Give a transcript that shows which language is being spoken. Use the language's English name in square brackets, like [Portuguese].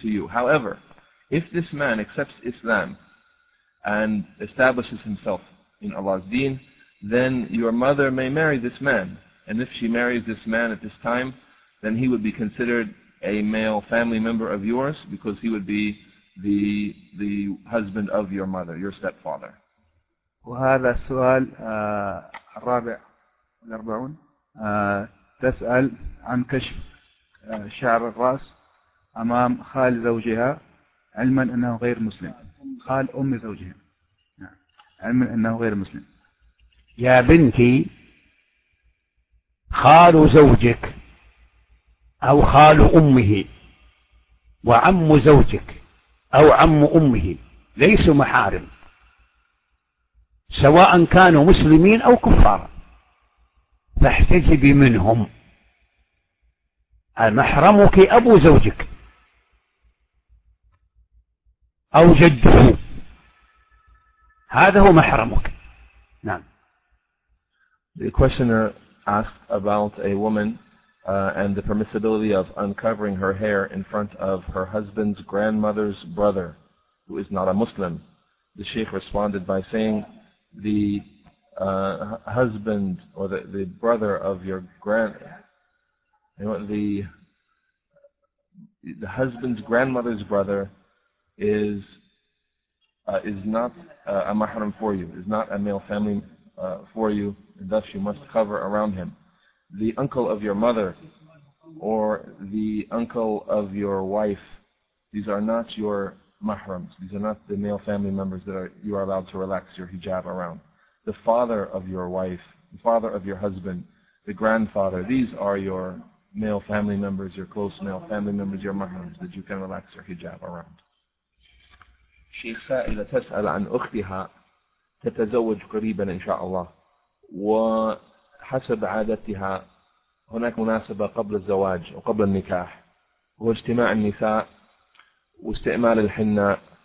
[English] However, if this man accepts Islam and establishes himself in Allah's deen, then your mother may marry this man. And if she marries this man at this time, then he would be considered a male family member of yours because he would be the husband of your mother, your stepfather. [Arabic] وهذا السؤال الرابع والأربعون تسأل عن كشف شعر الرأس أمام خال زوجها علما أنه غير مسلم خال أم زوجها علما أنه غير مسلم يا بنتي خال زوجك أو خال أمه وعم زوجك أو عم أمه ليسوا محارم سواء كانوا مسلمين أو كفار فاحتجبي منهم محرمك أبو زوجك أو جده هذا هو محرمك [English] The questioner asked about a woman and the permissibility of uncovering her hair in front of her husband's grandmother's brother, who is not a Muslim. The Sheikh responded by saying, the husband or the brother of your grand, you know, the husband's grandmother's brother is not a mahram for you, is not a male family for you, and thus you must cover around him. The uncle of your mother or the uncle of your wife, these are not your mahrams. These are not the male family members that you are allowed to relax your hijab around. The father of your wife, the father of your husband, the grandfather, these are your male family members, your close male family members, your mahrams, that you can relax your hijab around. [Arabic] شيخ سائلة تسأل عن أختها تتزوج قريبا إن شاء الله وحسب عادتها هناك مناسبة قبل الزواج وقبل النكاح واجتماع النساء واستعمال الحناء